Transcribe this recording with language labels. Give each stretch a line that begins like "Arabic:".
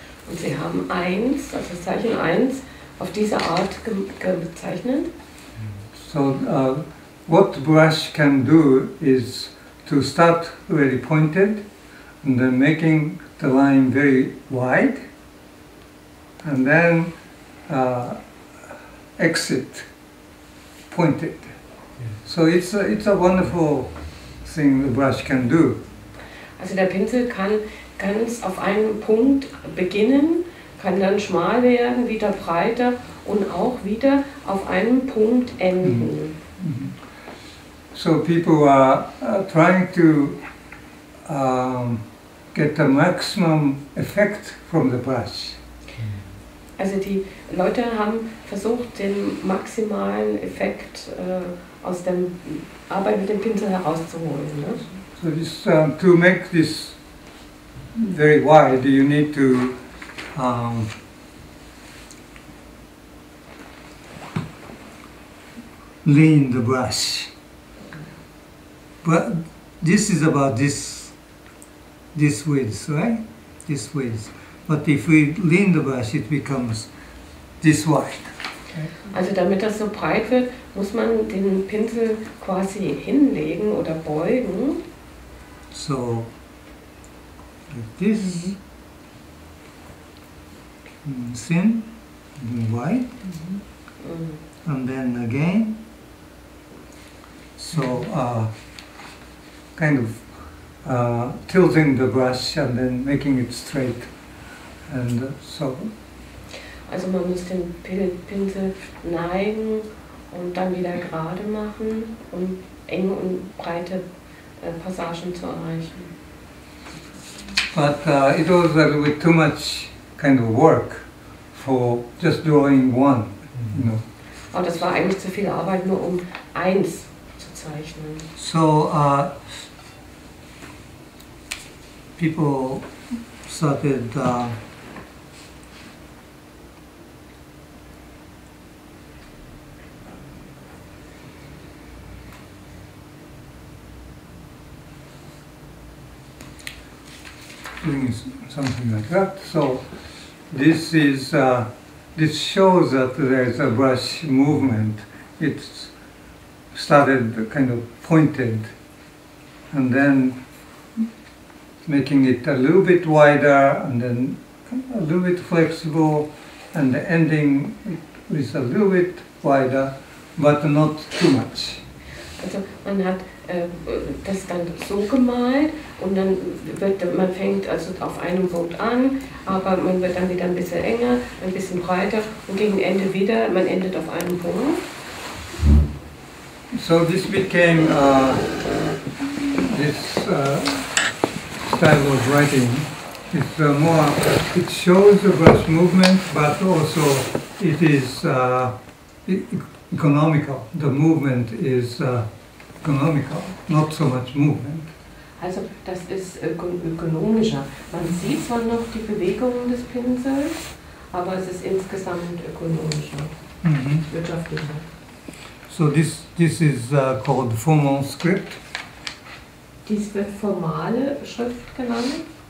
German: Und sie haben eins, also das Zeichen eins, auf diese Art gezeichnet.
English: So, what the brush can do is to start really pointed and then making the line very wide and then exit pointed. So it's a wonderful thing the brush can do.
German: Also der Pinsel kann ganz auf einen Punkt beginnen, kann dann schmal werden, wieder breiter und auch wieder auf einen Punkt enden. Mm-hmm.
English: So people are trying to get the maximum effect from the brush.
German: Also die Leute haben versucht, den maximalen Effekt aus dem Arbeit mit dem Pinsel herauszuholen. Ne?
English: So this, to make this very wide, you need to lean the brush. But this is about this width, right? This width. But if we lean the brush, it becomes this wide.
German: Also damit das so breit wird, muss man den Pinsel quasi hinlegen oder beugen.
English: So, like this, thin, then wide, and then again. So, kind of tilting the brush and then making it straight. And so.
German: Also man muss den Pinsel neigen und dann wieder gerade machen, um enge und breite Passagen zu erreichen.
English: But it was a little bit too much kind of work for just drawing one, you know.
German: Aber das war eigentlich zu viel Arbeit, nur um eins zu zeichnen.
English: So, people started doing something like that. So this is this shows that there is a brush movement. It started kind of pointed and then making it a little bit wider and then a little bit flexible and the ending is a little bit wider but not too much.
German: Also man hat das dann so gemalt und dann wird man fängt also auf einem Punkt an, aber man wird dann wieder ein bisschen enger, ein bisschen breiter und gegen Ende wieder, man endet auf einem Punkt.
English: So this became this style of writing. It's more, it shows the brush movement, but also it is economical. The movement is economical, not so much movement.
German: Also das ist ökonomischer. Man sieht zwar noch die Bewegungen des Pinsels, aber es ist insgesamt ökonomischer, wirtschaftlicher.
English: So this is called formal script.
German: Dies wird formale Schrift genannt.